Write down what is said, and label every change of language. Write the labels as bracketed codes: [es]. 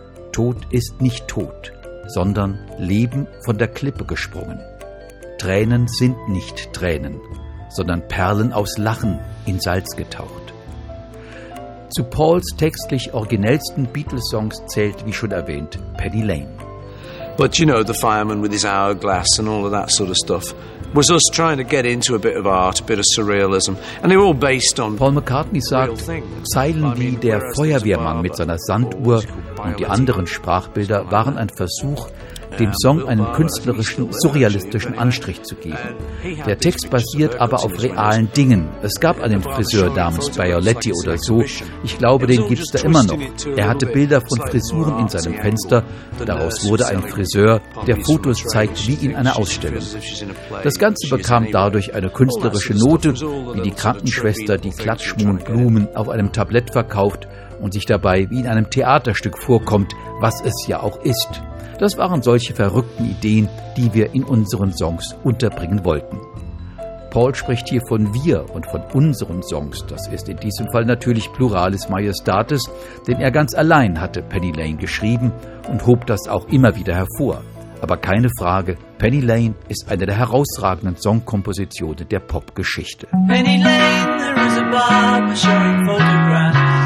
[de] Tod ist nicht Tod, sondern Leben von der Klippe gesprungen. Tränen sind nicht Tränen, sondern Perlen aus Lachen in Salz getaucht. Zu Pauls textlich originellsten Beatles-Songs zählt, wie schon erwähnt, Penny Lane. [en] But you know, the fireman with his hourglass and all of that sort of stuff was us trying to get into a bit of art, a bit of surrealism, and they were all based on. [de] Paul McCartney sagt, Zeilen wie der Feuerwehrmann mit seiner Sanduhr und die anderen Sprachbilder waren ein Versuch, dem Song einen künstlerischen, surrealistischen Anstrich zu geben. Der Text basiert aber auf realen Dingen. Es gab einen Friseur namens Bialetti oder so. Ich glaube, den gibt es da immer noch. Er hatte Bilder von Frisuren in seinem Fenster. Daraus wurde ein Friseur, der Fotos zeigt wie in einer Ausstellung. Das Ganze bekam dadurch eine künstlerische Note, wie die Krankenschwester die Klatschmohnblumen auf einem Tablett verkauft und sich dabei wie in einem Theaterstück vorkommt, was es ja auch ist. Das waren solche verrückten Ideen, die wir in unseren Songs unterbringen wollten. Paul spricht hier von wir und von unseren Songs. Das ist in diesem Fall natürlich Pluralis Majestatis, denn er ganz allein hatte Penny Lane geschrieben und hob das auch immer wieder hervor. Aber keine Frage, Penny Lane ist eine der herausragenden Songkompositionen der Popgeschichte. [en] Penny Lane, there is a barber showing photographs.